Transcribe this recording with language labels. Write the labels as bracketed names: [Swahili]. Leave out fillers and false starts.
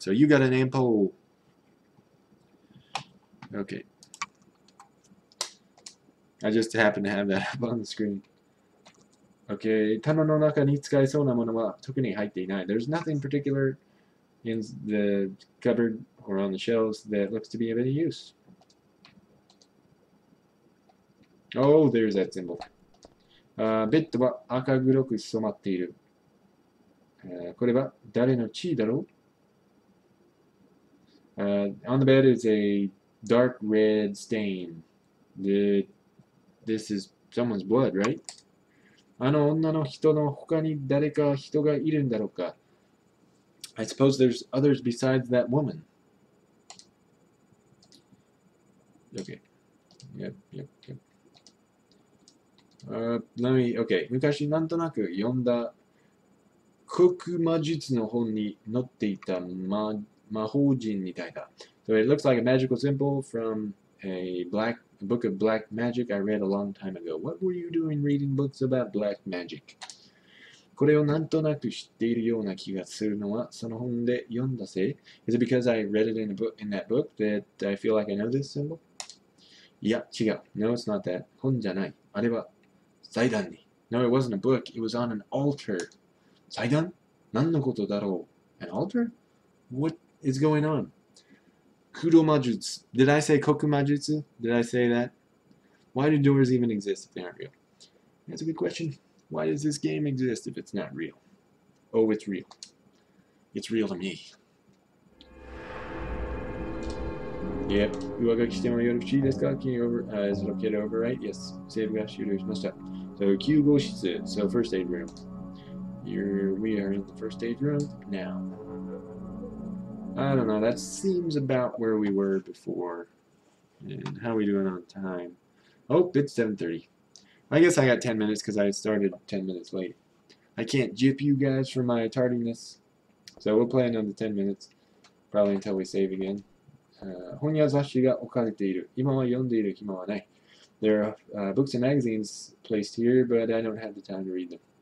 [English] So you got an ampul. Okay. I just happened to have that up on the screen. [Japanese] Okay, 棚の中に使えそうなものは特に入っていない. [English] There's nothing particular. In the cupboard or on the shelves that looks to be of any use. Oh, there's that symbol. [Japanese] ベッドは赤黒く染まっている。これは誰の血だろう? [English] On the bed is a dark red stain. This is someone's blood, right? [Japanese] あの女の人の他に誰か人がいるんだろうか? [English] I suppose there's others besides that woman. Okay. Yep. Okay. [Japanese] 昔なんとなく読んだ黒魔術の本に載っていた魔法陣みたいだ。 [English] So it looks like a magical symbol from a book of black magic I read a long time ago. What were you doing reading books about black magic? [Japanese] これをなんとなく知っているような気がするのはその本で読んだせい? [English] Is it because I read it in that book that I feel like I know this symbol? [Japanese] いや、違う。 [English] No, it's not that. [Japanese] 本じゃない。あれは祭壇に。 [English] No, it wasn't a book. It was on an altar. [Japanese] 祭壇?何のことだろう? [English] An altar? What is going on? [Japanese] 黒魔術。 [English] Did I say 黒魔術? Did I say that? Why do doors even exist if they aren't real? That's a good question. Why does this game exist if it's not real? Oh, it's real. It's real to me. Yep. [Japanese] 上書きしてもよろしいですか? [English] Can you over... is it okay to overwrite? Yes. Save [Japanese] が終了しました。 [English] So, 救護室。So, first aid room. We are in the first aid room now. I don't know. That seems about where we were before. And how are we doing on time? Oh, it's 7:30. I guess I got 10 minutes because I started 10 minutes late. I can't jip you guys for my tardiness. So we'll play another 10 minutes. Probably until we save again. [Japanese] 本屋雑誌が置かれている。今は読んでいる暇はない。 [English] There are books and magazines placed here, but I don't have the time to read them.